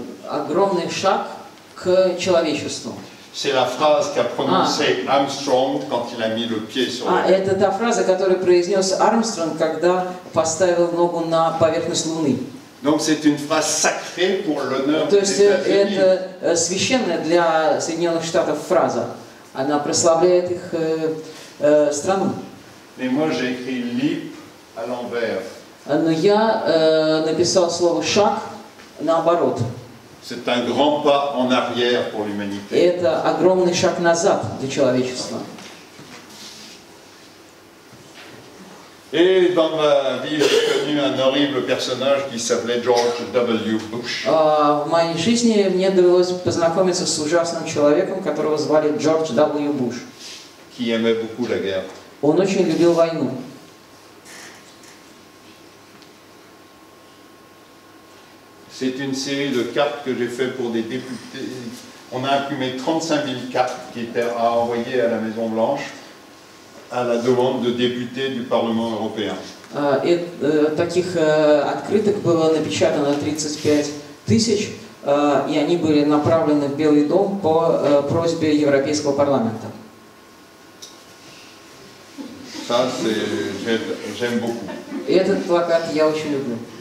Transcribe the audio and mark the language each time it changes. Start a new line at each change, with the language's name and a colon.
Russian: Огромный шаг к человечеству.
French: C'est la phrase qu'a prononcé Armstrong quand il a mis le pied sur.
Russian: Это та фраза, которую произнес Армстронг, когда поставил ногу на поверхность Луны.
French: Donc c'est une phrase sacrée pour l'honneur des
Russian: États-Unis. То есть это священная для Соединенных Штатов фраза. Она прославляет их страну.
French: Mais moi j'ai écrit leap à l'envers.
Russian: Но я написал слово шаг наоборот.
French: C'est un grand pas en arrière pour l'humanité.
Russian: Это огромный шаг назад для человечества.
French: Et dans ma vie, j'ai connu un horrible personnage qui s'appelait George W. Bush.
Russian: В моей жизни мне довелось познакомиться с ужасным человеком, которого звали George W. Bush.
French: Qui aimait beaucoup la guerre.
Russian: Он очень любил войну.
French: C'est une série de cartes que j'ai fait pour des députés. On a imprimé 35 000 cartes qui étaient à envoyer à la Maison Blanche. À la demande de députés du Parlement européen.
Russian: Таких открыток было напечатано 35 тысяч, и они были направлены в Белый дом по просьбе Европейского парламента.
French: Ça, j'aime beaucoup.
Russian: Этот плакат я очень люблю.